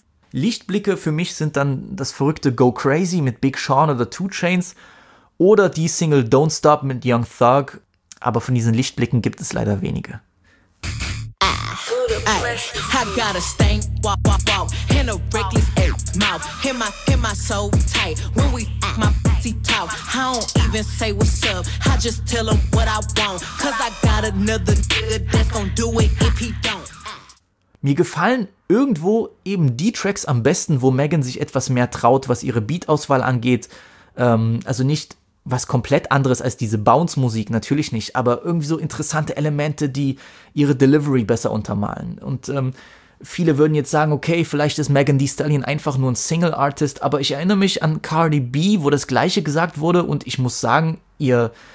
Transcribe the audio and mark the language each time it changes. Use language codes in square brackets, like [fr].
[de] Lichtblicke für mich sind dann das verrückte Go Crazy mit Big Sean oder 2 Chainz oder die Single Don't Stop mit Young Thug, aber von diesen Lichtblicken gibt es leider wenige. [en] I got a stank walk, walk, walk, and a reckless mouth. Hit my soul tight when we my pussy talk. I don't even say what's up, I just tell him what I want. Cause I got another nigga that's gonna do it if he don't. [de] Mir gefallen irgendwo eben die Tracks am besten, wo Megan sich etwas mehr traut, was ihre Beat-Auswahl angeht. Also nicht was komplett anderes als diese Bounce-Musik, natürlich nicht, aber irgendwie so interessante Elemente, die ihre Delivery besser untermalen. Und viele würden jetzt sagen, okay, vielleicht ist Megan Thee Stallion einfach nur ein Single-Artist, aber ich erinnere mich an Cardi B, wo das Gleiche gesagt wurde und ich muss sagen, ihr